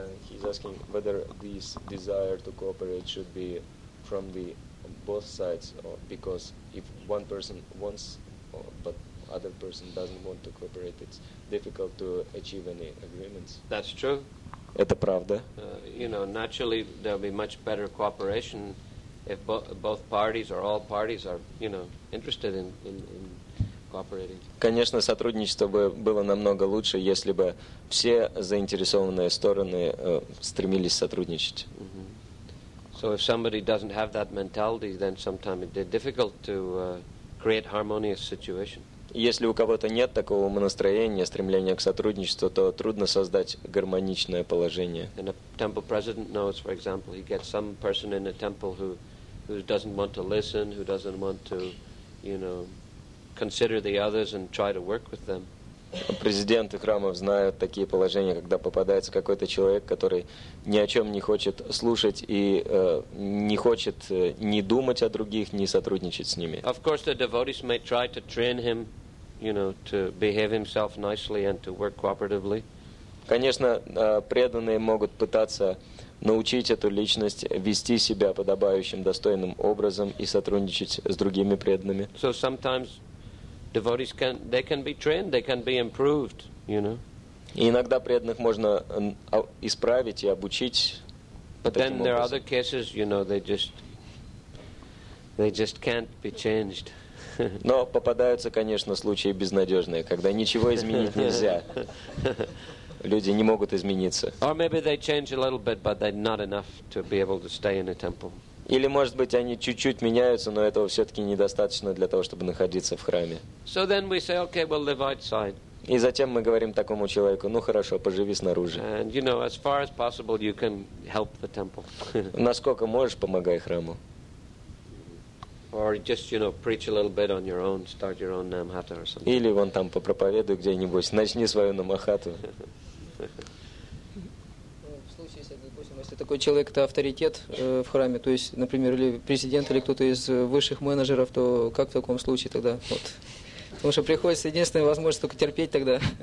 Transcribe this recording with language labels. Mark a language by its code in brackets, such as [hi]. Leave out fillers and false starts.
[en] He's asking whether this desire to cooperate should be from the both sides, or because if one person wants, but other person doesn't want to cooperate, it's difficult to achieve any agreements. That's true. [ru] Это правда. [en] You know, naturally there'll be much better cooperation if both parties or all parties are, you know, interested in cooperating. [ru] Конечно, сотрудничество бы было намного лучше, если бы все заинтересованные стороны стремились сотрудничать. Mm-hmm. [en] So if somebody doesn't have that mentality, then sometimes it's difficult to create harmonious situation. [ru] Если у кого-то нет такого настроения, стремления к сотрудничеству, то трудно создать гармоничное положение. [en] And a temple president knows, for example, he gets some person in the temple who doesn't want to listen, who doesn't want to, you know, consider the others and try to work with them. [ru] Президенты храмов знают такие положения, когда попадается какой-то человек, который ни о чем не хочет слушать и не хочет ни думать о других, ни сотрудничать с ними. [en] Of course, the devotees may try to train him, you know, to behave himself nicely and to work cooperatively. [ru] Конечно, преданные могут пытаться научить эту личность вести себя подобающим, достойным образом и сотрудничать с другими преданными. [en] So sometimes devotees can, they can be trained, they can be improved, you know. [ru] И иногда преданных можно исправить и обучить. [en] But then there are other cases, you know, they just can't be changed. [ru] Но попадаются, конечно, случаи безнадежные, когда ничего изменить нельзя. Люди не могут измениться. [en] Or maybe they change a little bit, but they're not enough to be able to stay in a temple. [ru] Или, может быть, они чуть-чуть меняются, но этого все-таки недостаточно для того, чтобы находиться в храме. [en] So then we say, okay, we'll live outside. [ru] И затем мы говорим такому человеку: ну хорошо, поживи снаружи. [en] And, you know, as far as possible, you can help the temple. [ru] Насколько можешь, помогай храму. [en] Or just, you know, preach a little bit on your own, start your own namhata or something. [ru] Или вон там попроповедуй где-нибудь, начни свою намахату. В случае, если, допустим, если такой человек — это авторитет в храме, то есть, например, или президент, или кто-то из высших менеджеров, то как в таком случае тогда? Вот. Потому что приходится единственная возможность только терпеть тогда.